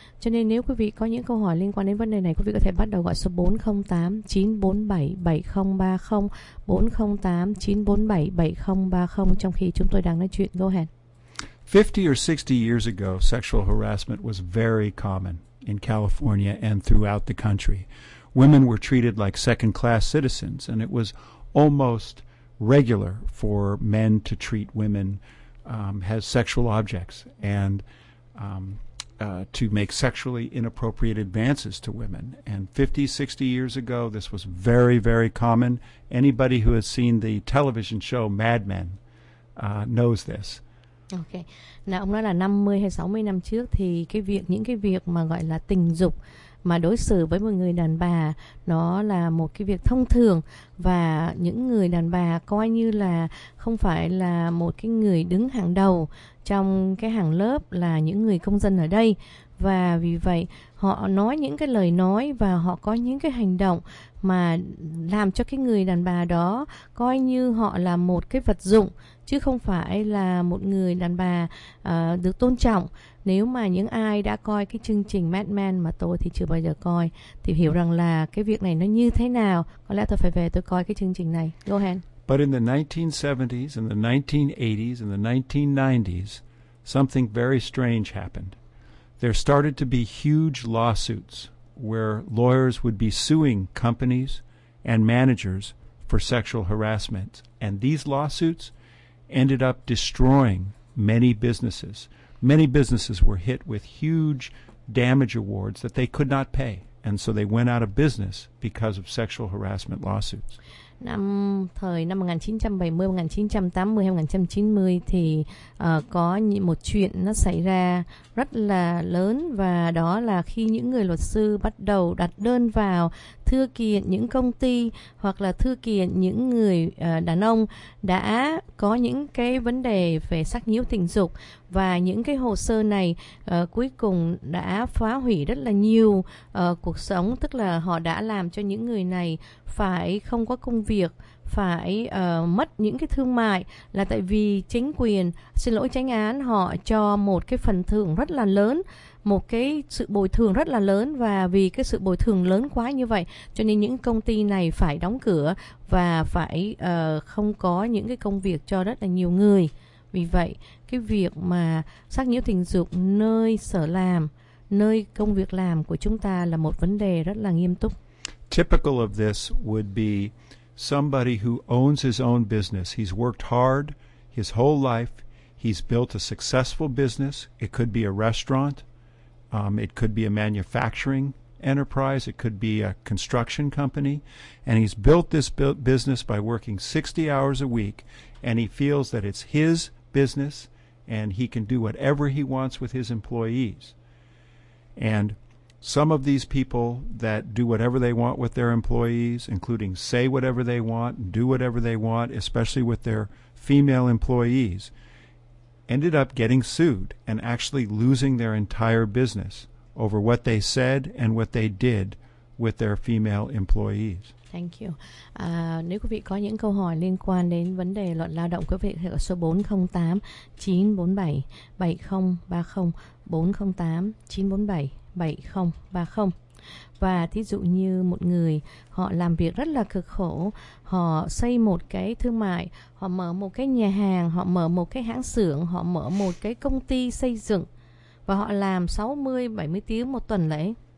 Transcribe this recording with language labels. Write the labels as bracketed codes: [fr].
[vi] Cho nên nếu quý vị có những câu hỏi liên quan đến vấn đề này, quý vị có thể bắt đầu gọi số 408-947-7030, 408-947-7030 trong khi chúng tôi đang nói chuyện. [en] Go ahead. 50 or 60 years ago, sexual harassment was very common in California and throughout the country. Women were treated like second-class citizens, and it was almost regular for men to treat women as sexual objects and to make sexually inappropriate advances to women. And 50, 60 years ago, this was very, very common. Anybody who has seen the television show Mad Men knows this. Ok. [vi] Nào, ông nói là 50 hay 60 năm trước thì cái việc, những cái việc mà gọi là tình dục mà đối xử với một người đàn bà, nó là một cái việc thông thường, và những người đàn bà coi như là không phải là một cái người đứng hàng đầu trong cái hàng lớp là những người công dân ở đây. Và vì vậy họ nói những cái lời nói và họ có những cái hành động mà làm cho cái người đàn bà đó coi như họ là một cái vật dụng, chứ không phải là một người đàn bà được tôn trọng. Nếu mà những ai đã coi cái chương trình Mad Men, mà tôi thì chưa bao giờ coi, thì hiểu rằng là cái việc này nó như thế nào. Có lẽ tôi phải về tôi coi cái chương trình này. [en] Go ahead. But in the 1970s and the 1980s and the 1990s, something very strange happened. There started to be huge lawsuits where lawyers would be suing companies and managers for sexual harassment. And these lawsuits ended up destroying many businesses. Many businesses were hit with huge damage awards that they could not pay. And so they went out of business because of sexual harassment lawsuits. [vi] Năm thời năm 1970, 1980 hay 1990 thì có một chuyện nó xảy ra rất là lớn, và đó là khi những người luật sư bắt đầu đặt đơn vào thư kiện những công ty, hoặc là thư kiện những người đàn ông đã có những cái vấn đề về sắc nhiễu tình dục, và những cái hồ sơ này cuối cùng đã phá hủy rất là nhiều cuộc sống, tức là họ đã làm cho những người này phải không có công việc, phải mất những cái thương mại, là tại vì chính quyền, xin lỗi, chánh án họ cho một cái phần thưởng rất là lớn, một cái sự bồi thường rất là lớn, và vì cái sự bồi thường lớn quá như vậy cho nên những công ty này phải đóng cửa và phải không có những cái công việc cho rất là nhiều người. Vì vậy cái việc mà sắc nhiễu tình dục nơi sở làm, nơi công việc làm của chúng ta là một vấn đề rất là nghiêm túc. [en] Typical of this would be somebody who owns his own business. He's worked hard his whole life. He's built a successful business. It could be a restaurant. It could be a manufacturing enterprise. It could be a construction company. And he's built this business by working 60 hours a week. And he feels that it's his business and he can do whatever he wants with his employees. And some of these people that do whatever they want with their employees, including say whatever they want and do whatever they want, especially with their female employees, ended up getting sued and actually losing their entire business over what they said and what they did with their female employees. Thank you. [vi] Nếu quý vị có những câu hỏi liên quan đến vấn đề luật lao động, quý vị hãy gọi số 408-947-7030, 408-947-7030. Và thí dụ như một người họ làm việc rất là cực khổ, họ xây một cái thương mại, họ mở một cái nhà hàng, họ mở một cái hãng xưởng, họ mở một cái công ty xây dựng, và họ làm 60-70 tiếng một tuần lễ.